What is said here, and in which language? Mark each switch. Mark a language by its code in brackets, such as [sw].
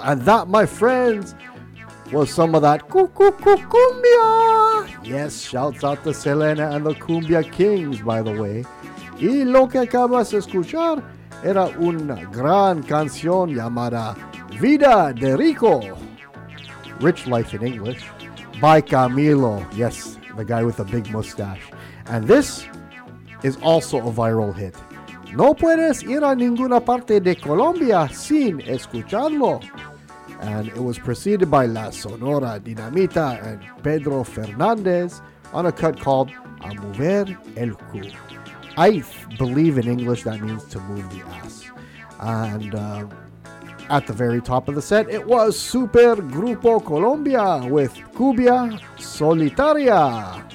[en] And that, my friends, was some of that cumbia. Yes, shouts out to Selena and the Cumbia Kings, by the way. [es] Y lo que acabas de escuchar era una gran canción llamada Vida de Rico, [en] Rich Life in English, by Camilo. Yes, the guy with the big mustache. And this is also a viral hit. [es] No puedes ir a ninguna parte de Colombia sin escucharlo. [en] And it was preceded by La Sonora Dinamita and Pedro Fernandez on a cut called A Mover el Cu. I believe in English that means to move the ass. And at the very top of the set, it was Super Grupo Colombia with Cumbia Solitaria.